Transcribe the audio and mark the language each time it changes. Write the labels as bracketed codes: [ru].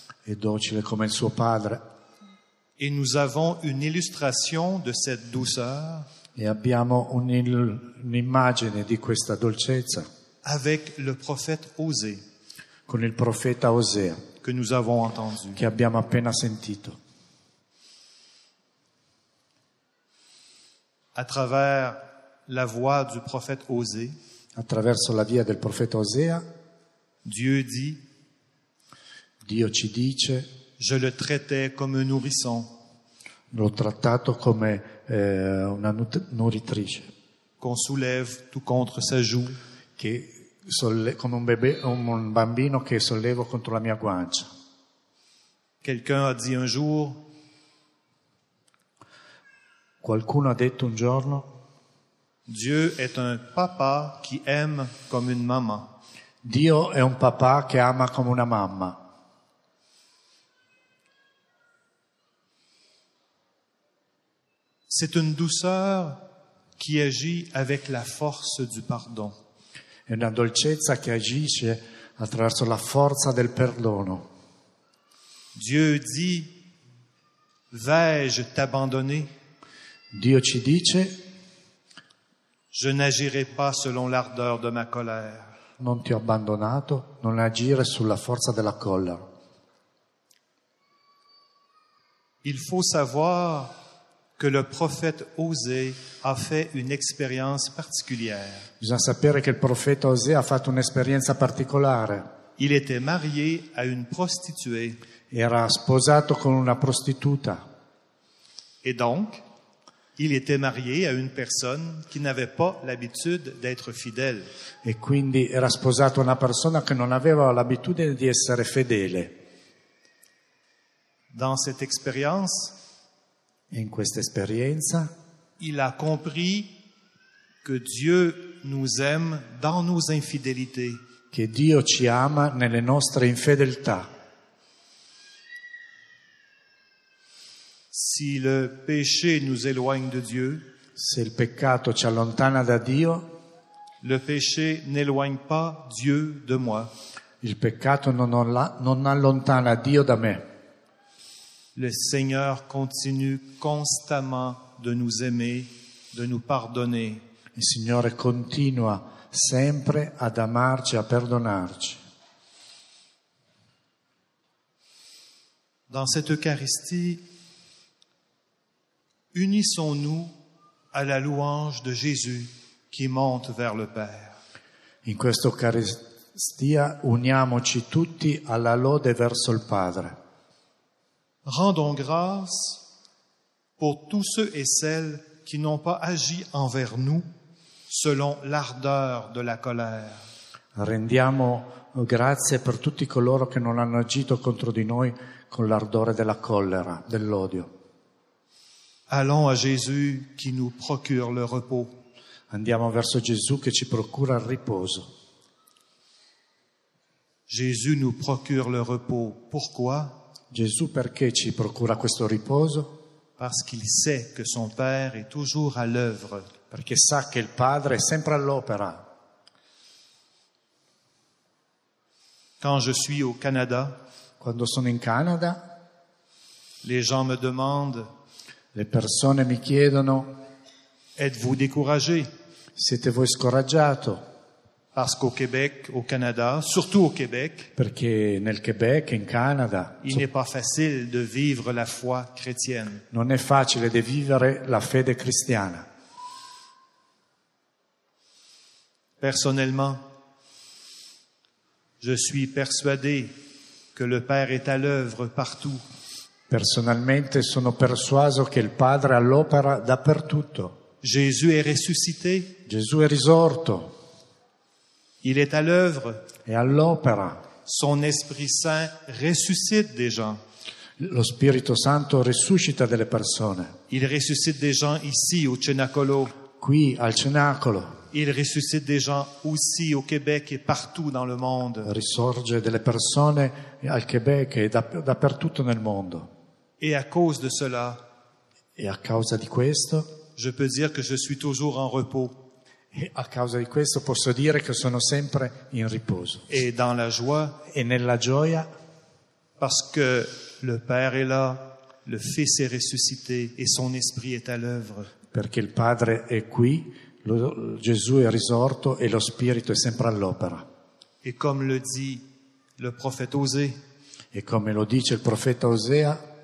[fr] Et docile comme [it] il suo padre. [fr] Et nous avons une illustration de cette douceur. [it] Et abbiamo un'immagine di questa dolcezza. [fr] Avec le prophète Osée. [it] Con il profeta Osea. [fr] Que nous avons entendu. [it] Che abbiamo appena sentito. [fr] À travers la voix du prophète Osée. [it] Attraverso la via del profeta Osea. [fr] Dieu dit. [it] Dio ci dice, [fr] je le traitais comme un nourrisson. [it] L'ho trattato come una nourritrice. [fr] Qu'on soulève tout contre sa joue. [it] Che come un bebè, un bambino che sollevo contro la mia guancia. [fr] Quelqu'un a dit un jour. [it] Qualcuno ha detto un giorno. [fr] Dieu est un papa qui aime comme une maman. [it] Dio è un papà che ama come una mamma. [fr] C'est une douceur qui agit avec la force du pardon. [it] È una dolcezza che agisce attraverso la forza del perdono. [fr] Dieu dit, vais-je t'abandonner? [it] Dio ci dice, [fr] je n'agirai pas selon l'ardeur de ma colère. [it] Non ti ho abbandonato, non agire sulla forza della colla. [fr] Il faut savoir que le prophète Osée a fait une expérience particulière. [it] Bisogna sapere che il profeta Osea ha fatto un'esperienza particolare. [fr] Il était marié à une prostituée. [it] Era sposato con una prostituta. [fr] Et donc, il était marié à une personne qui n'avait pas l'habitude d'être fidèle. [it] E quindi era sposato a una persona che non aveva l'abitudine di essere fedele. [fr] Dans cette expérience, [it] in questa esperienza, [fr] il a compris que Dieu nous aime dans nos infidélités. [it] che Dio ci ama nelle nostre infedeltà. [fr] Si le péché nous éloigne de Dieu, [it] se il peccato ci allontana da Dio, [fr] le péché n'éloigne pas Dieu de moi. [it] Il peccato non allontana Dio da me. [fr] Le Seigneur continue constamment de nous aimer, de nous pardonner. [it] Il Signore continua sempre ad amarci, a perdonarci. [fr] Dans cette Eucharistie, unissons-nous à la louange de Jésus qui monte vers le Père. [it] In questa Eucaristia uniamoci tutti alla lode verso il Padre. [fr] Rendons grâce pour tous ceux et celles qui n'ont pas agi envers nous selon l'ardeur de la colère. [it] Rendiamo grazie per tutti coloro che non hanno agito contro di noi con l'ardore della collera, dell'odio. [fr] Allons à Jésus qui nous procure le repos. [it] Andiamo verso Gesù che ci procura il riposo. [fr] Jésus nous procure le repos. Pourquoi? [it] Gesù perché ci procura questo riposo? [fr] Parce qu'il sait que son Père est toujours à l'œuvre. [it] Perché sa che il Padre è sempre all'opera. [fr] Quand je suis au Canada, [it] quando sono in Canada, [fr] les gens me demandent, [it] le persone mi chiedono, [fr] êtes-vous découragé? [it] Siete voi scoraggiato? [fr] Parce qu'au Québec, au Canada, surtout au Québec, [it] perché nel Quebec, in Canada, [fr] il n'est pas facile de vivre la foi chrétienne. [it] Non è facile di vivere la fede cristiana. [fr] Personnellement, je suis persuadé que le Père est à l'œuvre partout. [it] Personalmente sono persuaso che il Padre è all'opera dappertutto. Gesù è risuscitato. Gesù è risorto. [fr] Il est à l'œuvre. [it] È all'opera. [fr] Son Esprit Saint ressuscite des gens. [it] Lo Spirito Santo risuscita delle persone. [fr] Il ressuscite des gens ici au Cenacolo. [it] Qui al Cenacolo. [fr] Il ressuscite des gens aussi au Québec et partout dans le monde. [it] Risorge delle persone al Québec e dappertutto nel mondo. [fr] Et à cause de cela, [it] e a causa di questo, [fr] je peux dire que je suis toujours en repos. [it] E a causa di questo posso dire che sono sempre in riposo. [fr] Et dans la joie, [it] e nella gioia, [fr] parce que le Père est là, le Fils est ressuscité et son Esprit est à l'œuvre. [it] Perché il Padre è qui, Gesù è risorto e lo Spirito è sempre all'opera. [fr] Et comme le dit le prophète Osée, [it] e come lo dice il profeta Osea,